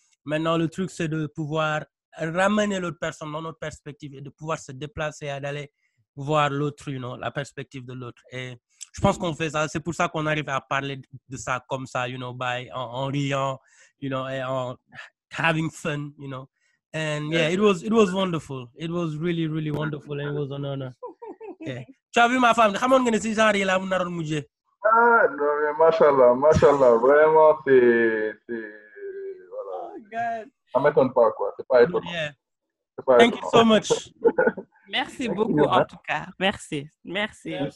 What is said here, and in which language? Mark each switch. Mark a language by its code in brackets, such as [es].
[fr] Maintenant, le truc c'est de pouvoir ramener l'autre personne dans notre perspective et de pouvoir se déplacer et d'aller voir l'autre, [en] you know, [fr] la perspective de l'autre. Et je pense qu'on fait ça, c'est pour ça qu'on arrive à parler de ça comme ça, [en] you know, [fr] en riant, you know, et en [en] having fun, you know. And yeah, it was wonderful. It was really, really wonderful and it was an honor. [fr] Tu as vu ma femme? Comment est-ce que c'est ça, Ariel? Ah, non, mais mashallah, vraiment, c'est... Voilà. [en] Oh, God. [fr] Ça ne m'étonne pas, quoi. C'est pas étonnant. [en] Yeah. [fr] C'est pas étonnant. [en] Thank you so much. [fr] Merci beaucoup, en tout cas. Merci. Merci.